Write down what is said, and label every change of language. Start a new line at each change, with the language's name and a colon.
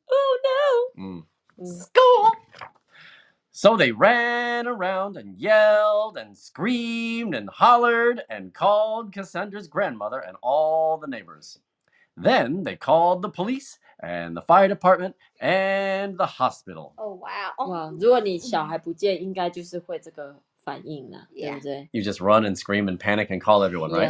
English: Oh, no. School. So they ran around and yelled and screamed and hollered and called Cassandra's grandmother and all the neighbors. Then they called the police and the fire department and the hospital. Oh, wow.
Chinese: Wow, 如果你小孩不见，应该就是会这个反应了，对不对？
English: You just run and scream and panic and call everyone, right?